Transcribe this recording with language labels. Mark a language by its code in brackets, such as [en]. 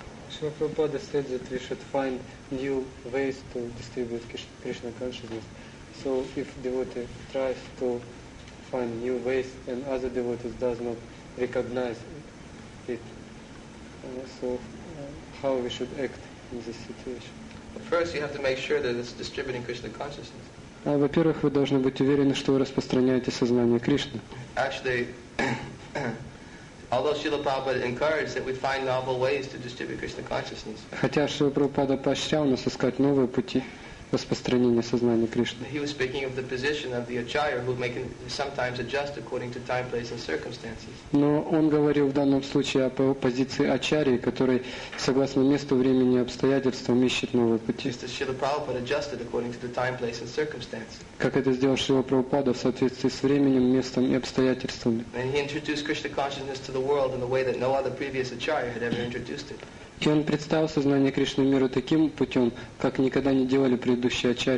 [en] Шрила Прабхупада said that we should find new ways to distribute Krishna consciousness. So if devotee tries to find new ways and other devotees does not recognize it, so how we should act in this situation? First, you have to make sure that it's distributing Krishna consciousness. [ru] Во-первых, вы должны быть уверены, что вы распространяете сознание Кришны. [en] Actually, although Srila Prabhupada encouraged that we find novel ways to distribute Krishna consciousness. [ru] Хотя Шрила Прабхупада поощрял нас искать новые пути распространения сознания Кришны. [en] He was speaking of the position of the acharya who may sometimes adjust according to time, place and circumstances. [ru] Но он говорил в данном случае о позиции ачарьи, который согласно месту, времени и обстоятельствам ищет новые пути. Mr. [en] Srila Prabhupada adjusted according to the time, place and circumstances. [ru] Как это сделал Шрила Прабхупада в соответствии с временем, местом и обстоятельствами. [en] And he introduced Krishna consciousness to the world in a way that no other previous acharya had ever introduced it. [ru] И он представил сознание Кришны миру таким путем, как никогда не делали предыдущие